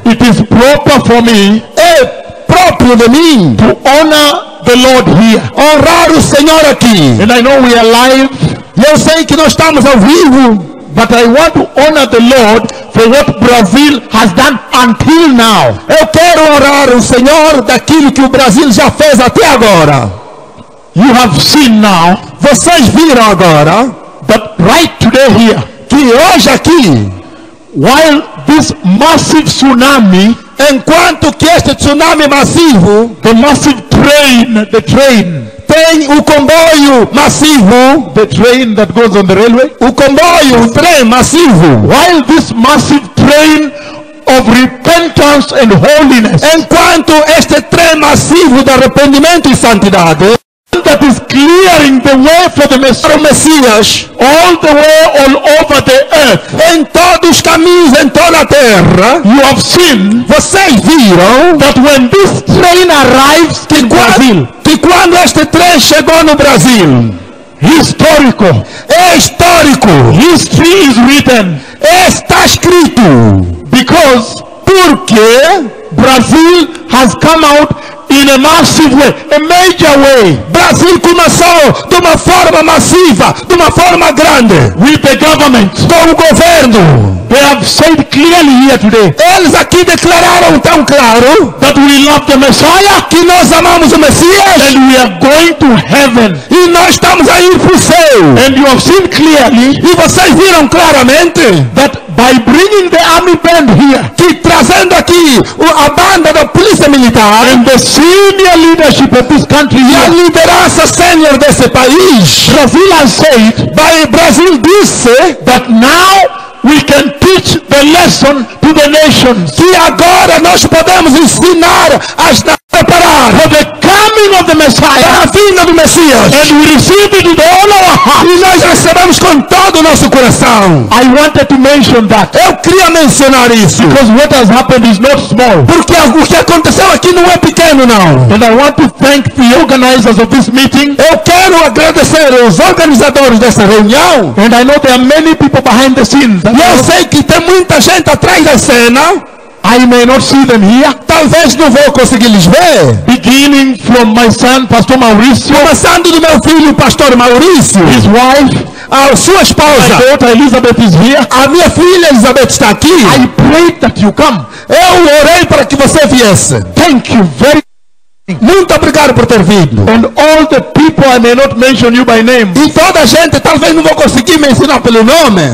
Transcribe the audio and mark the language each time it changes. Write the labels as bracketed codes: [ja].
[en] It is proper for me. [pt] É próprio de mim. [en] To honor the Lord here. [pt] Honrar o Senhor aqui. [en] And I know we are alive. [pt] Eu sei que nós estamos ao vivo. [en] But I want to honor the Lord for what Brazil has done until now. [pt] Eu quero orar o Senhor daquilo que o Brasil já fez até agora. [en] You have seen now. [pt] Vocês viram agora. [en] That right today here. [pt] Que hoje aqui. [en] While this massive tsunami. [pt] Enquanto que este tsunami massivo. [en] The massive train. The train. [pt] Tem o comboio massivo. [en] The train that goes on the railway. [pt] O comboio, o trem massivo. [en] While this massive train of repentance and holiness. [pt] Enquanto este trem massivo de arrependimento e santidade. [en] That is clearing the way for the Messiah. All the way, all over the earth. [pt] Em todos os caminhos, em toda a terra. [en] You have seen. [pt] Vocês viram. [en] That when this train arrives in Brazil. [pt] Que quando este trem chegou no Brasil. [en] Historical. [pt] É histórico. [en] History is written. [pt] Está escrito. [en] Because. [pt] Porque. [en] Brazil has come out. In a massive way, a major way. [pt] Brasil começou de uma forma massiva, de uma forma grande. [en] With the government. [pt] Com o governo. [en] They have said clearly here today. [pt] Eles aqui declararam tão claro. [en] That we love the Messiah. [pt] Que nós amamos o Messias. [en] And we are going to heaven. [pt] E nós estamos a ir para o céu. [en] And you have seen clearly. [pt] E vocês viram claramente. [en] That by bringing the army band here. [pt] Que trazendo aqui a banda da polícia militar. [en] And the senior leadership of this country here. [pt] E a liderança senior desse país. [en] Brazil has said. [pt] By Brazil disse. [en] That now. We can teach the lesson to the nations. [pt] Que agora nós podemos ensinar as nações para [en] the coming of the Messiah. [pt] Para a vinda do Messias. [en] And we receive it with all our hearts. [pt] E nós recebemos com todo o nosso coração. [en] I wanted to mention that. [pt] Eu queria mencionar isso. [en] Because what has happened is not small. [pt] Porque o que aconteceu aqui não é pequeno não. [en] And I want to thank the organizers of this meeting. [pt] Eu quero agradecer os organizadores dessa reunião. [en] And I know there are many people behind the scenes. [pt] E eu sei que tem muita gente atrás da cena. [en] I may not see them here. [pt] Talvez não vou conseguir lhes ver. [en] Beginning from my son, Pastor Maurício. [pt] Começando do meu filho, Pastor Maurício. [en] His wife. [pt] A sua esposa. [en] My daughter Elizabeth is here. [pt] A minha filha Elizabeth está aqui. [en] I prayed that you come. [pt] Eu orei para que você viesse. [en] Thank you very much. [pt] Muito obrigado por ter vindo. [en] And all the people I may not mention you by name. [pt] E toda a gente talvez não vou conseguir mencionar pelo nome.